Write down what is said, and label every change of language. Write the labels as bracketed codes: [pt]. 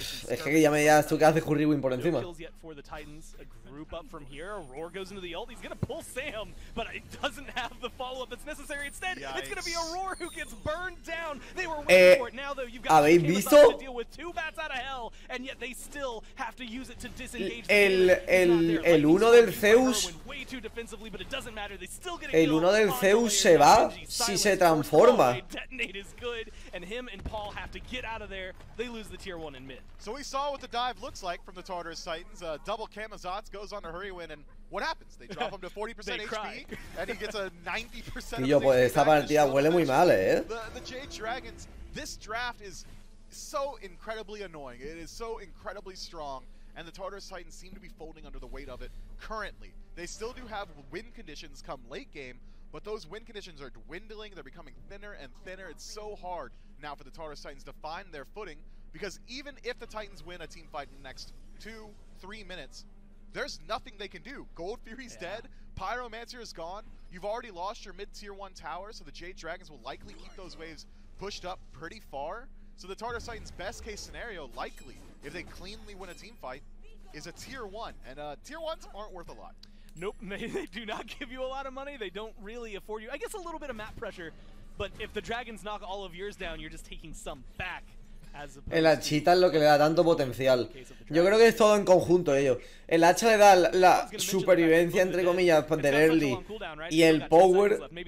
[es] es que ya me digas tú que hace Curry Win por encima. [en] Group up from here. Aurora goes into the ult. He's gonna pull Sam, but it doesn't have the follow up that's necessary. Instead, yikes, it's gonna be Aurora who gets burned down. They were waiting for it. Now though, you've got okay to deal with two bats out of hell, and yet they still have to use it to disengage. [es] El uno del Zeus. [en] Way too defensively, but it doesn't matter. They still get a [es] el uno del Zeus se va si se transforma. [en] Detonate is good, and him and Paul have to get out of there. They lose the tier one in mid. So we saw what the dive looks like from the Tartarus Titans. Double Kamazots goes on a hurry win, and what happens? They drop him to 40% HP, and he gets a 90%. [es] Tío, pues esta partida huele muy mal, eh. [en] The Jade Dragons, this draft is so incredibly annoying. It is so incredibly strong, and the Tartarus Titans seem to be folding under the weight of it currently. They still do have win conditions come late game, but those win conditions are dwindling. They're becoming thinner and thinner. It's so hard now for the Tartarus Titans to find their footing, because even if the Titans win a team fight in the next 2-3 minutes, there's nothing they can do. Gold Fury's dead. Pyromancer is gone. You've already lost your mid-tier one tower, so the Jade Dragons will likely keep those waves pushed up pretty far. So the Tartarus Titans' best-case scenario, likely, if they cleanly win a team fight, is a tier one. And tier ones aren't worth a lot. Nope, they do not give you a lot of money. They don't really afford you. I guess a little bit of map pressure, but if the Dragons knock all of yours down, you're just taking some back. [es] El hachita es lo que le da tanto potencial. Yo creo que es todo en conjunto ello. El hacha le da la supervivencia, entre comillas, del early. Y el power.